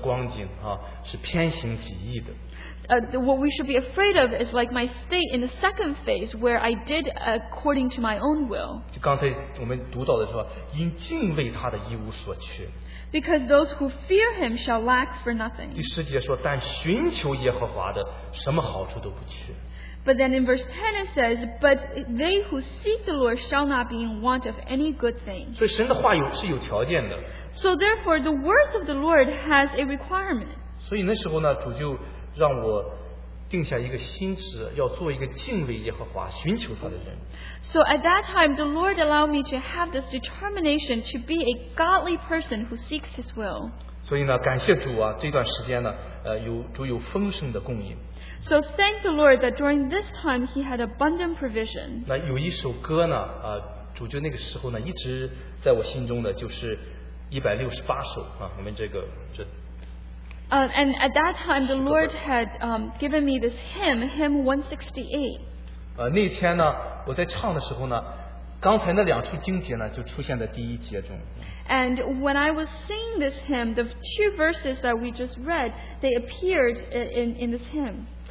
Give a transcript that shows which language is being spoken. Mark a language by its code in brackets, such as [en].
[zh] 怕的是像我在第二个阶段的有时候的光景啊，是偏行己意的。 [en] What we should be afraid of is like my state in the second phase where I did according to my own will. [zh] 就刚才我们读到的说，因敬畏他的一无所缺。 [en] Because those who fear him shall lack for nothing. [zh] 第十节说，但寻求耶和华的，什么好处都不缺。 [en] But then in verse 10 it says, But they who seek the Lord shall not be in want of any good thing. [zh] 所以神的话是有条件的。 [en] So therefore, the words of the Lord has a requirement. [zh] 所以那时候呢, 主就让我定下一个心志, 要做一个敬畏耶和华, 寻求他的人。 [en] So at that time, the Lord allowed me to have this determination to be a godly person who seeks his will. [zh] 所以呢, 感谢主啊, 这段时间呢, 主有丰盛的供应。 [en] So thank the Lord that during this time he had abundant provision. [zh] 那有一首歌呢, 主就那个时候呢, 一直在我心中的, 就是168首, 啊, 我们这个, 这, [en] and at that time the Lord had given me this hymn 168. [zh] 那天呢, 我在唱的时候呢, 刚才那两处经节呢, 就出现在第一节中。 [en] And when I was singing this hymn, the two verses that we just read, they appeared in this hymn.